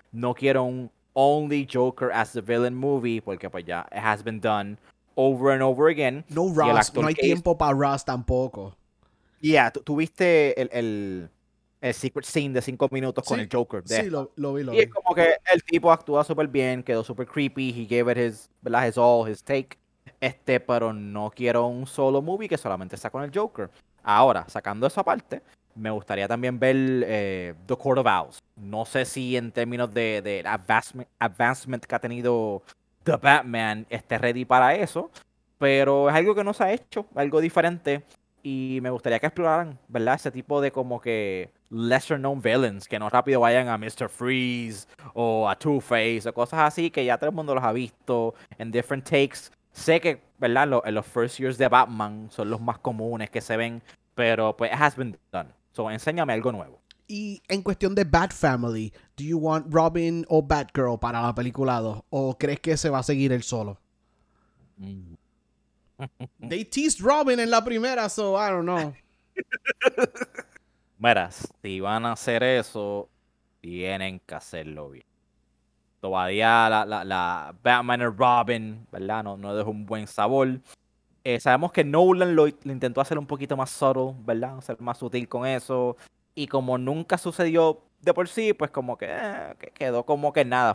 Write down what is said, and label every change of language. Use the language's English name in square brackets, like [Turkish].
[Spanish] No quiero un [English] only Joker as the villain movie, [Spanish] porque pues ya, [English] it has been done over and over again. [Spanish] No Ross, no hay tiempo para Ross tampoco. Yeah, tú viste el [English] secret scene [Spanish] de 5 minutos con, sí, el Joker. Sí, lo vi. Y es como que el tipo actúa súper bien, quedó súper creepy, [English] he gave it his, [Spanish] ¿verdad?, [English] his all, his take. [Spanish] Pero no quiero un solo movie que solamente está con el Joker. Ahora, sacando eso aparte, Me gustaría también ver The Court of Owls. No sé si en términos de advancement que ha tenido The Batman esté ready para eso, pero es algo que no se ha hecho, algo diferente. Y me gustaría que exploraran, ¿verdad? Ese tipo de como que [English] lesser known villains, [Spanish] que no rápido vayan a Mr. Freeze o a Two-Face o cosas así, que ya todo el mundo los ha visto en [English] different takes. [Spanish] Sé que, ¿verdad? Los [English] first years [Spanish] de Batman son los más comunes que se ven, pero pues [English] it has been done. [Spanish] So, enséñame algo nuevo. Y en cuestión de Bat Family, [English] ¿do you want [Spanish] Robin o Batgirl para la película 2? ¿O crees que se va a seguir él solo? [English] They teased Robin [Spanish] en la primera, [English] so I don't know. [Spanish] Mira, si van a hacer eso, tienen que hacerlo bien. Todavía la Batman y Robin, ¿verdad? No dejó un buen sabor. Sabemos que Nolan lo intentó hacer un poquito más subtle, ¿verdad? Ser más sutil con eso. Y como nunca sucedió de por sí, pues como que quedó como que nada.